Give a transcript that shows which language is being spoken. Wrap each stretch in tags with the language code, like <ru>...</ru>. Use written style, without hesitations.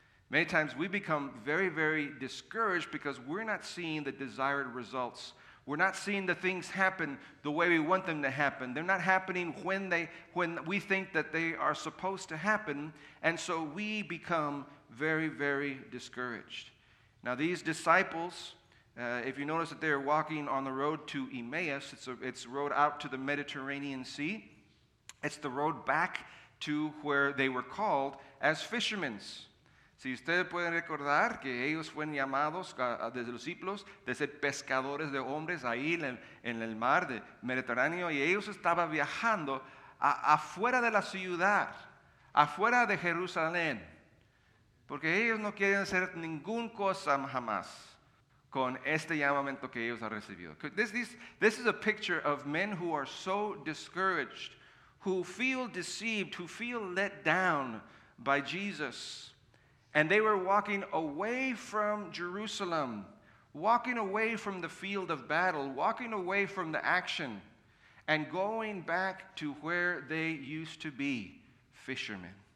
<en>Many times we become very, very discouraged because we're not seeing the desired results. We're not seeing the things happen the way we want them to happen. They're not happening when we think that they are supposed to happen. And so we become very, very discouraged. Now these disciples, if you notice that they're walking on the road to Emmaus, it's a road out to the Mediterranean Sea. It's the road back to where they were called as fishermen.</en> <es>Si ustedes pueden recordar que ellos fueron llamados desde los discípulos de ser pescadores de hombres ahí en el mar de Mediterráneo, y ellos estaban viajando afuera de la ciudad, afuera de Jerusalén, porque ellos no quieren hacer ningún cosa jamás con este llamamiento que ellos han recibido.</es> <en>This is a picture of men who are so discouraged, who feel deceived, who feel let down by Jesus. And they were walking away from Jerusalem, walking away from the field of battle, walking away from the action, and going back to where they used to be, fishermen.</en>